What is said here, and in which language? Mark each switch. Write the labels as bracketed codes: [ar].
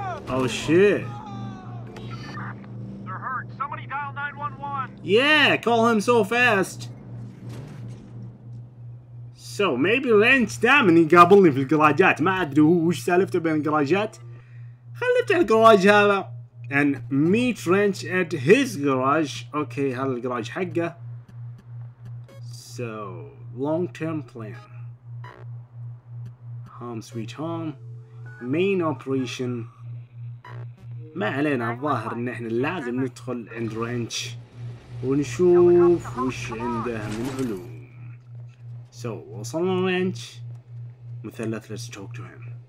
[en] Oh shit. They're hurt. Somebody dial 911. Yeah, call him so fast. So maybe [ar] Lance Damon يقابلني في الجراجات. ما ادري هو وش سالفته بين الجراجات. خلي افتح الجراج هذا. [en] And meet Lance at his garage. [ar] Okay, هذا الجراج حقه. [en] So long term plan. Home sweet home. Main operation. ما [ar] ما علينا، الظاهر ان احنا لازم ندخل عند رينش ونشوف وش عنده من علوم. سو وصلنا رينش، مثلث، [en] let's talk to him.